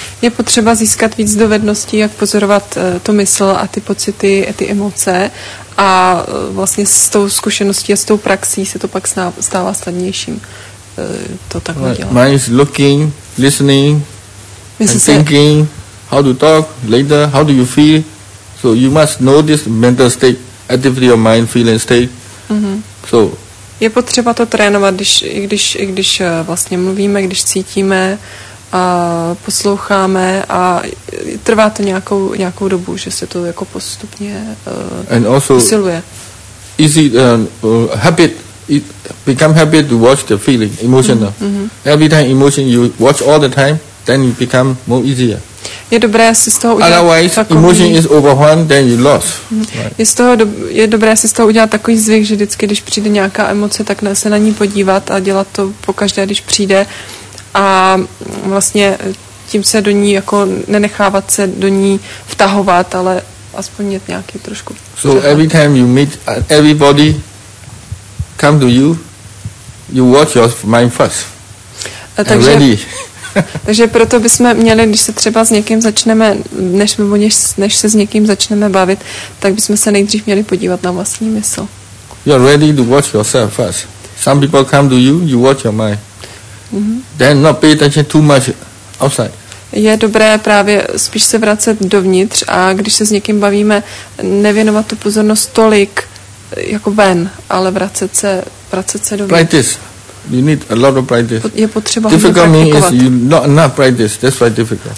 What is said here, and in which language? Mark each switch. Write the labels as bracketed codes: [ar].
[cs] Je potřeba získat víc dovedností, jak pozorovat tu mysl a ty pocity a ty emoce, a vlastně s tou zkušeností a s tou praxí se to pak stává snadnějším. To takhle dělá. [en] Mind is looking, listening, and thinking, how to talk, later, how do you feel? So you must know this mental state, activity of mind, feeling state. Mm-hmm. So [cs] je potřeba to trénovat, když vlastně mluvíme, když cítíme, a posloucháme, a trvá to nějakou dobu, že se to jako postupně posiluje. [en] Easy habit, it become habit to watch the feeling, emotional. Mm-hmm. Every time emotion you watch all the time, then you become more easier. [cs] Je dobré si z toho udělat [en] otherwise, [cs] takový... [en] emotion is overwhelmed, then you lost. Mm-hmm. Right. [cs] Je dobré si z toho udělat takový zvyk, že vždycky, když přijde nějaká emoce, tak se na ní podívat a dělat to pokaždé, když přijde. A vlastně tím se do ní jako nenechávat se do ní vtahovat, ale aspoň mít nějaký trošku. [en] So every time you meet everybody come to you, you watch your mind first. [cs] Takže, ready. Takže proto bychom měli, když se třeba s někým začneme, než se s někým začneme bavit, tak bychom se nejdřív měli podívat na vlastní mysl. [en] You're ready to watch yourself first. Some people come to you, you watch your mind. Mm-hmm. Then not pay attention too much outside. [cs] Je dobré právě spíš se vracet dovnitř, a když se s někým bavíme, nevěnovat tu pozornost tolik jako ven, ale vracet se dovnitř. [en] Practice. You need a lot of practice. [cs] Je potřeba [en] difficult [cs] hodně practikovat. [en] Is you not practice. That's why difficult.